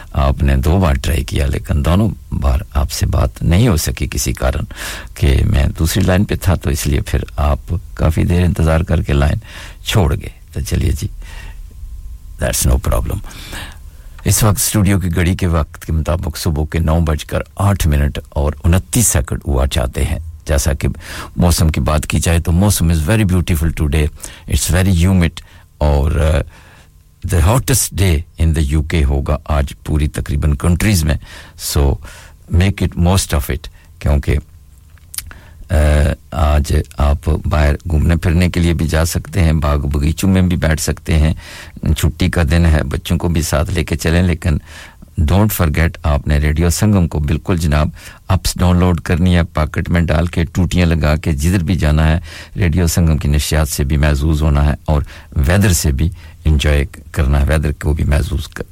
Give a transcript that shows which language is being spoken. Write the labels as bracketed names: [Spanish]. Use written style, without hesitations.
[Urdu] آپ نے دو بار ٹرائی کیا لیکن دونوں بار آپ سے بات نہیں ہو سکی کسی کارن کہ میں دوسری لائن پہ تھا تو اس لیے پھر آپ کافی دیر انتظار کر کے لائن چھوڑ گئے تو چلیے جی [English] That's no problem. [Urdu] اس وقت سٹوڈیو کی گھڑی کے وقت کے مطابق صبح کے 9:08 ہوا چاہتے ہیں جیسا کہ موسم کی بات کی جائے تو موسم [English] is very beautiful today. It's very humid اور the hottest day in the UK [Urdu] ہوگا آج پوری تقریباً [English] countries میں. So make it most of it [Urdu] کیونکہ آج آپ باہر گھومنے پھرنے کے لیے بھی جا سکتے ہیں باغ بغیچوں میں بھی بیٹھ سکتے ہیں چھٹی کا دن ہے بچوں کو بھی ساتھ لے کے چلیں لیکن [English] don't forget [Urdu] آپ نے ریڈیو سنگم کو بالکل جناب اپس ڈاؤن لوڈ کرنی ہے پاکٹ میں ڈال کے ٹوٹیاں لگا کے جدھر بھی جانا ہے ریڈیو سنگم کی نشیات سے بھی محظوظ ہونا ہے اور ویدر سے بھی انجوائے کرنا ہے ویدر کو بھی محظوظ